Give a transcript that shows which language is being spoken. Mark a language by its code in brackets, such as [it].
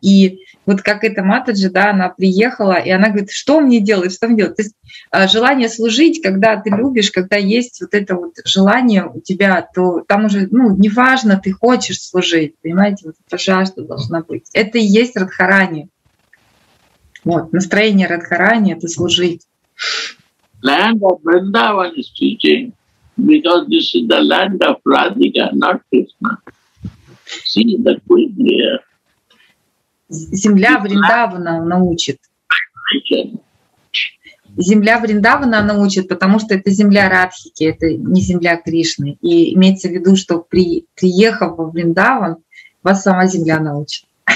[ru] И вот как эта Матаджи, да, она приехала, и она говорит, что мне делать, что мне делать? То есть желание служить, когда ты любишь, когда есть вот это вот желание у тебя, то там уже, ну, неважно, ты хочешь служить, понимаете, вот эта жажда должна быть. Это и есть Радхарани. Вот, настроение Радхарани — это служить. [en] Land of Vrindavan is teaching, because this is the land of Radhika, not Krishna. See the queen here. [ru] Земля Вриндавана научит. Земля Вриндавана научит, потому что это земля Радхики, это не земля Кришны. И имеется в виду, что приехав во Вриндаван, вас сама земля научит.